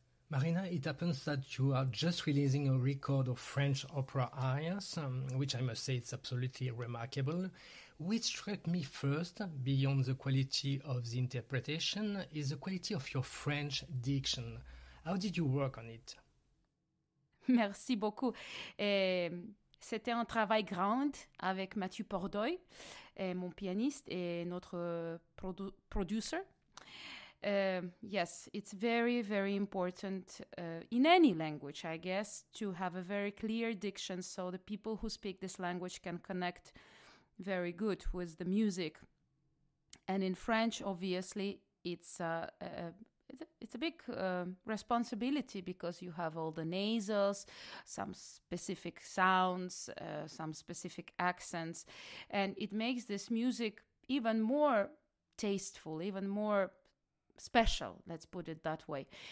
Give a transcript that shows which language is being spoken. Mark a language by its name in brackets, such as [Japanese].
[English] Marina, it happens that you are just releasing a record of French opera arias, which I must say is absolutely remarkable. What struck me first, beyond the quality of the interpretation, is the quality of your French diction. How did you work on it? [French] Merci beaucoup. C'était un travail grand avec Mathieu Pordoy, mon pianiste et notre producer. [English] Yes, it's very, very important in any language, I guess, to have a very clear diction so the people who speak this language can connect very good with the music. And in French, obviously, it's a big responsibility because you have all the nasals, some specific sounds, some specific accents, and it makes this music even more tasteful, even more special, let's put it that way.